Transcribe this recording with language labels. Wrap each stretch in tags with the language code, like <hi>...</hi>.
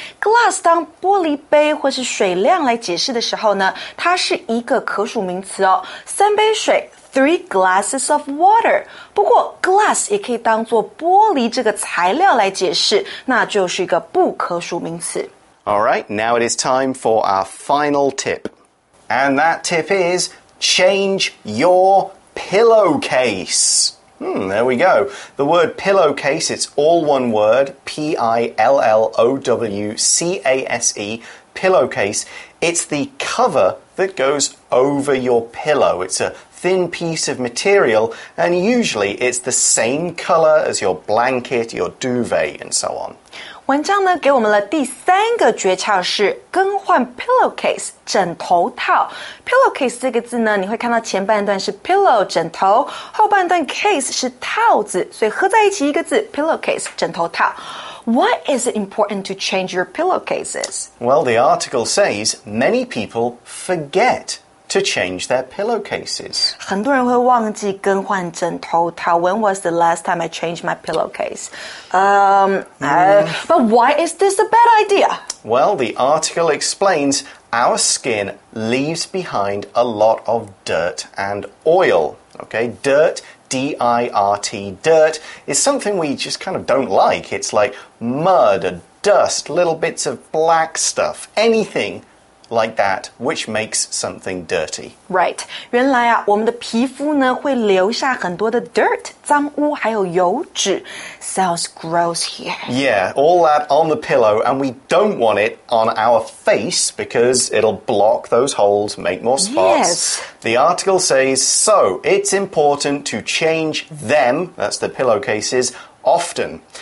<zh>Glass 当玻璃杯或是水量来解释的时候呢，它是一个可数名词哦，3杯水。</zh> <en>3 glasses of water.</en> <zh>不过 glass 也可以当作玻璃这个材料来解释，那就是一个不可数名词。</zh> <en>All right, now it is time for our final tip. And that tip is change your pillowcase. There we go. The word pillowcase, it's all one word, P-I-L-L-O-W-C-A-S-E, pillowcase. It's the cover that goes over your pillow. It's a thin piece of material, and usually it's the same color as your blanket, your duvet, and so on.</en> <zh>文章呢给我们了第三个诀窍是更换 pillowcase, 枕头套。 pillowcase 这个字呢，你会看到前半段是 pillow, 枕头，后半段 case 是套子，所以合在一起一个字 pillowcase, 枕头套。</zh> <en>Why is it important to change your pillowcases? Well, the article says many people forget to change their pillowcases.</en> <zh>很多人会忘记更换枕头套。</zh> <en>When was the last time I changed my pillowcase? But why is this a bad idea? Well, the article explains our skin leaves behind a lot of dirt and oil. Okay, dirt, D D-I-R-T, dirt, is something we just kind of don't like. It's like mud, dust, little bits of black stuff, anything like that, which makes something dirty. Right.</en> <zh>原来啊，我们的皮肤呢，会留下很多的 dirt, 脏污还有油脂。</zh> <en>Sounds gross here. Yeah, all that on the pillow, and we don't want it on our face because it'll block those holes, make more spots. Yes. The article says, so it's important to change them, that's the pillowcases, often.</en>